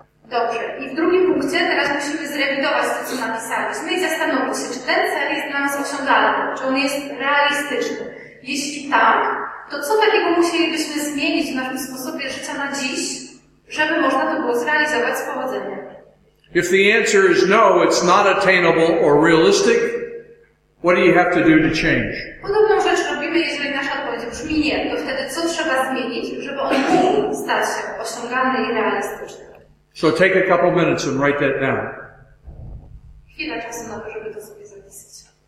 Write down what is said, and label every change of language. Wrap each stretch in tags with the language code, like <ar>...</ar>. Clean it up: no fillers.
<pl>Dobrze. I w drugim punkcie teraz musimy zrewidować to, co napisaliśmy i zastanowić się, czy ten cel jest dla nas osiągalny, czy on jest realistyczny. Jeśli tak, to co takiego musielibyśmy zmienić w naszym sposobie życia na dziś, żeby można to było zrealizować z powodzeniem?</pl> <en>If the answer is no, it's not attainable or realistic, what do you have to do to change?</en> <pl>Podobną rzecz robimy, jeżeli nasza odpowiedź brzmi nie, to wtedy co trzeba zmienić, żeby on mógł stać się osiągalny i realistyczny?</pl> <en>So take a couple minutes and write that down.</en> <pl>Chwila czasu na to, żeby to sobie zapisać.</pl>